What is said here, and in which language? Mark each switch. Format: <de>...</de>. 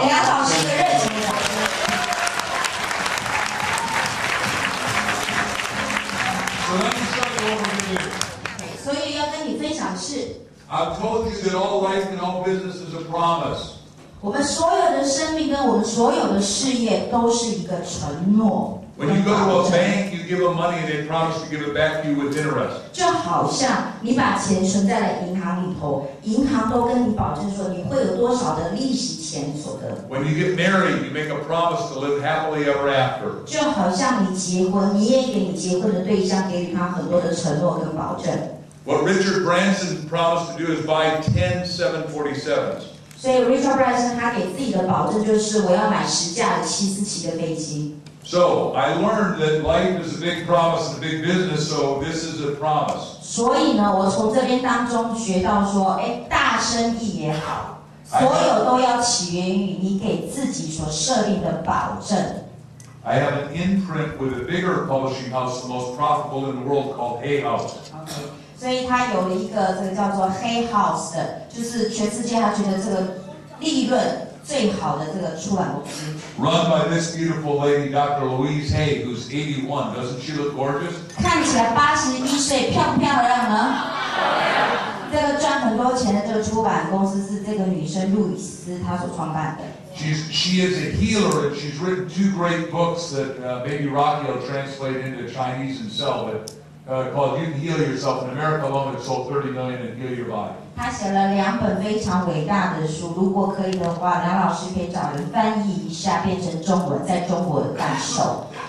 <zh>给梁老师一个热情的掌声。</zh> <en>So let me show you what we do.</en> <zh>所以要跟你分享是。</zh> <en>I've told you that all life and all business is a promise.</en> <zh>我们所有的生命跟我们所有的事业都是一个承诺。</zh> <en>When you go to a bank, you give them money and they promise to give it back to you with interest.</en> <zh>就好像你把钱存在了银行里头，银行都跟你保证说你会有多少的利息钱所得。</zh> <en>When you get married, you make a promise to live happily ever after.</en> <zh>就好像你结婚，你也给你结婚的对象给予他很多的承诺跟保证。</zh> <en>What Richard Branson promised to do is buy 10 747s.</en> <zh>所以 Richard Branson 他给自己的保证就是我要买十架的七四七的飞机。</zh> <en>So I learned that life is a big promise and a big business. So this is a promise.</en> <zh>所以呢，我从这边当中学到说，哎，大生意也好，所有都要起源于你给自己所设立的保证。</zh> <en>I have an imprint with a bigger publishing house, the most profitable in the world, called Hay House. Okay.</en> <zh>所以他有了一个这个叫做 Hay House 的，就是全世界他觉得这个利润最好的这个出版公司。</zh> <en>Run by this beautiful lady, Dr. Louise Hay, who's 81. Doesn't she look gorgeous?</en> <zh>看起来81岁，漂不漂亮呢？这个赚很多钱的这个出版公司是这个女生路易斯她所创办的。</zh> <en>She is a healer, and she's written two great books that maybe Rocky will translate into Chinese and sell, but called You Can Heal Yourself in America Alone, and sold 30 million and Heal Your Body.</en> <zh>他写了两本非常伟大的书，如果可以的话，梁老师可以找人翻译一下，变成中文，在中国贩售。</zh>